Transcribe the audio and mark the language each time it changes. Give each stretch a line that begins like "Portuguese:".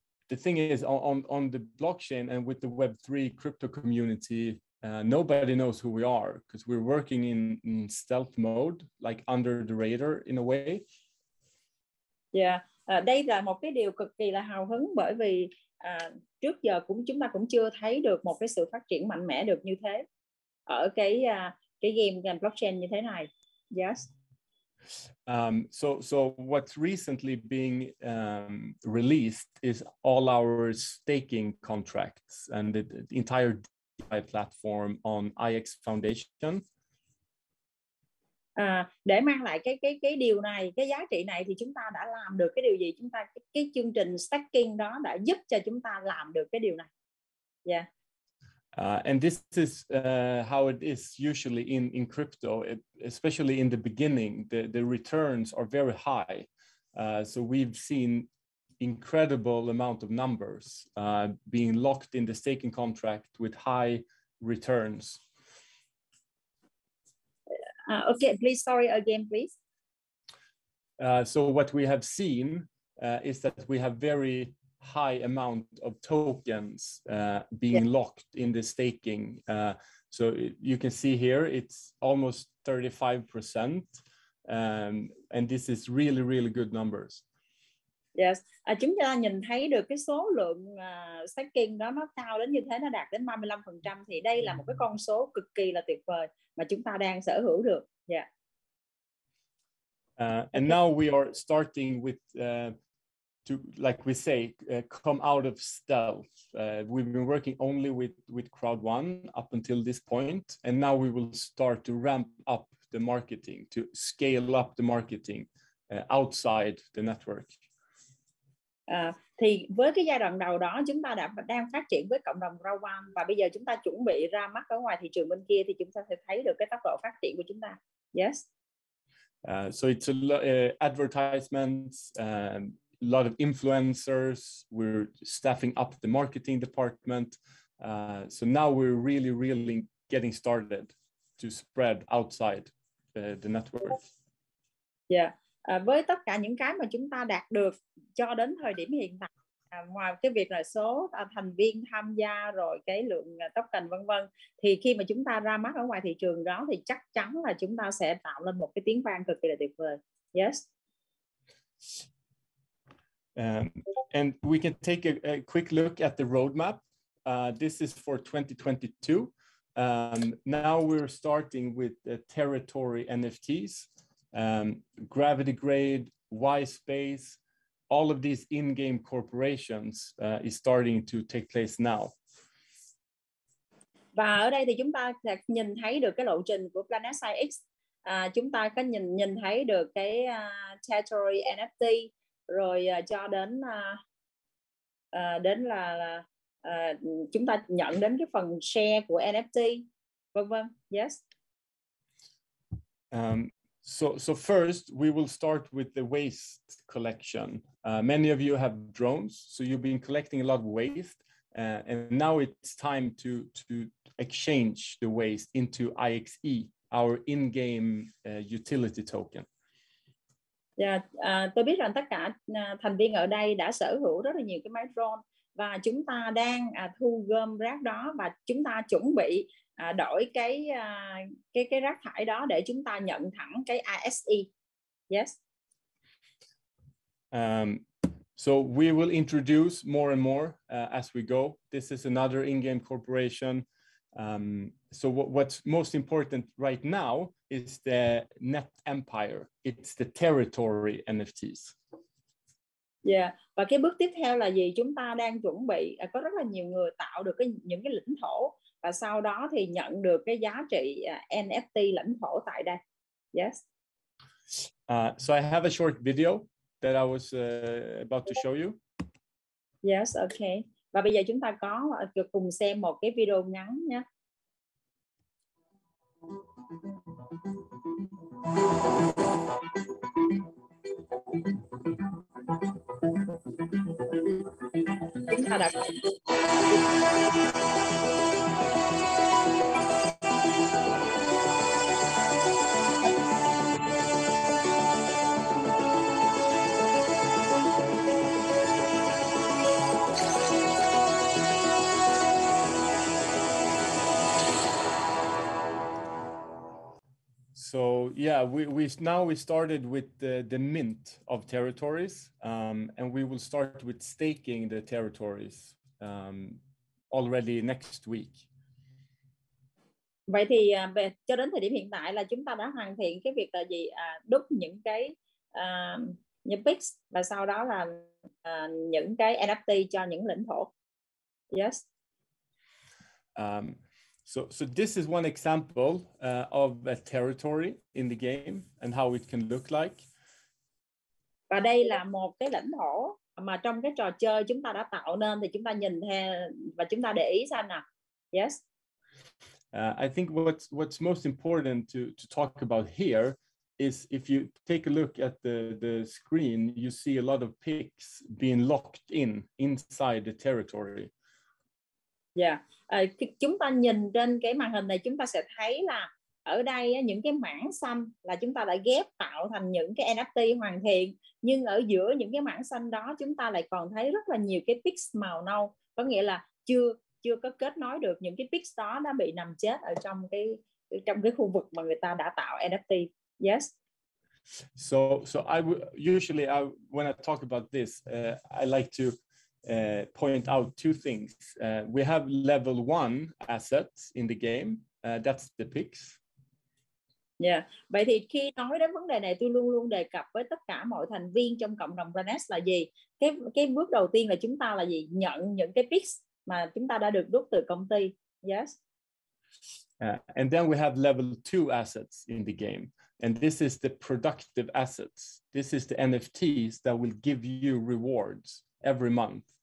English: The thing is, on the blockchain and with the Web3 crypto community, nobody knows who we are because we're working in stealth mode, like under the radar in a way. Yeah.
Vietnamese: Đây là một cái điều cực kỳ là hào hứng bởi vì trước giờ cũng chúng ta cũng chưa thấy được một cái sự phát triển mạnh mẽ được như thế ở cái game blockchain như thế này.
English: Yes. So what's recently being released is all our staking contracts and the entire DeFi platform on IX Foundation.
Vietnamese: Để mang lại cái điều này, cái giá trị này thì chúng ta đã làm được cái điều gì? Chúng ta cái chương trình stacking đó đã giúp cho chúng ta làm được cái điều này.
English: Yeah. And this is how it is usually in crypto, especially in the beginning. The returns are very high, so we've seen incredible amount of numbers being locked in the staking contract with high returns. Okay, please, sorry again, please. So what we have seen is that we have very high amount of tokens being locked in the staking. So you can see here it's almost 35%, and this is really, really good numbers. Yes,
Vietnamese: chúng ta nhìn thấy được cái số lượng staking đó nó cao đến như thế, nó đạt đến 35% thì đây là một cái con số cực kỳ là tuyệt vời mà chúng ta đang sở hữu được.
English: Yeah. And now we are starting with to, like we say, come out of stealth. We've been working only with CrowdOne up until this point, and now we will start to ramp up the marketing, to scale up the marketing outside the network.
Vietnamese: Thì với cái giai đoạn đầu đó chúng ta đã đang phát triển với cộng đồng Rawan và bây giờ chúng ta chuẩn bị ra mắt ở ngoài thị trường bên kia thì chúng ta sẽ thấy được cái tốc độ phát triển của chúng ta.
English: Yes. So advertisements, a lot of influencers. We're staffing up the marketing department. So now we're really, really getting started to spread outside the network. Yeah.
Vietnamese: Với tất cả những cái mà chúng ta đạt được cho đến thời điểm hiện tại, ngoài cái việc là số thành viên tham gia rồi cái lượng token vân vân, thì khi mà chúng ta ra mắt ở ngoài thị trường đó thì chắc chắn là chúng ta sẽ tạo lên một cái tiếng vang cực kỳ là tuyệt vời.
English: Yes. And we can take a quick look at the roadmap. This is for 2022. Now we're starting with the territory NFTs, Gravity Grade, Whyspace. All of these in-game corporations is starting to take place now.
Vietnamese: Và ở đây thì chúng ta sẽ nhìn thấy được cái lộ trình của Planet Side X. Chúng ta có nhìn nhìn thấy được cái territory NFT rồi cho đến đến là chúng ta nhận đến cái phần share của NFT. Vâng vâng.
English: Yes. So first we will start with the waste collection. Many of you have drones, so you've been collecting a lot of waste. And now it's time to exchange the waste into IXE, our in-game utility token. Yeah,
Vietnamese: tôi biết rằng tất cả thành viên ở đây đã sở hữu rất là nhiều cái máy drone và chúng ta đang thu gom rác đó và chúng ta chuẩn bị đổi cái rác thải đó để chúng ta nhận thẳng cái ISE.
English: Yes. So we will introduce more and more as we go. This is another in-game corporation. So what's most important right now is the Net Empire. It's the territory NFTs. Yeah.
Vietnamese: Và cái bước tiếp theo là gì? Chúng ta đang chuẩn bị có rất là nhiều người tạo được những cái lãnh thổ và sau đó thì nhận được cái giá trị NFT lãnh thổ tại đây.
English: Yes. So I have a short video that I was about to show you. Yes, okay.
Vietnamese: Và bây giờ chúng ta có cùng xem một cái video ngắn nhé. Chúng ta đã
English: So yeah, we started with the mint of territories, and we will start with staking the territories already next week.
Vietnamese: Vậy thì cho đến thời điểm hiện tại là chúng ta đã hoàn thiện cái việc là gì đúc những cái những pix và sau đó là những cái NFT cho những lãnh thổ.
English: Yes. So this is one example of a territory in the game and how it can look like.
Vietnamese: Và đây là một cái lãnh thổ mà trong cái trò chơi chúng ta đã tạo nên thì chúng ta nhìn theo và chúng ta để ý xem nào.
English: Yes. I think what's most important to talk about here is if you take a look at the screen, you see a lot of pics being locked in inside the territory.
Vietnamese: Yeah, chúng ta nhìn trên cái màn hình này chúng ta sẽ thấy là ở đây những cái mảng xanh là chúng ta đã ghép tạo thành những cái NFT hoàn thiện. Nhưng ở giữa những cái mảng xanh đó chúng ta lại còn thấy rất là nhiều cái pix màu nâu. Có nghĩa là chưa có kết nối được những cái pix đó đã bị nằm chết ở trong cái khu vực mà người ta đã tạo NFT.
English: Yes. So usually when I talk about this, I like to point out two things. We have level one assets in the game. That's the PIX. Yeah.
Vietnamese: Vậy thì khi nói đến vấn đề này, tôi luôn luôn đề cập với tất cả mọi thành viên trong cộng đồng Planet là gì? Cái bước đầu tiên là chúng ta là gì? Nhận những cái PIX mà chúng ta đã được đúc từ công ty.
English: Yes. And then we have level two assets in the game. And this is the productive assets. This is the NFTs that will give you rewards every month.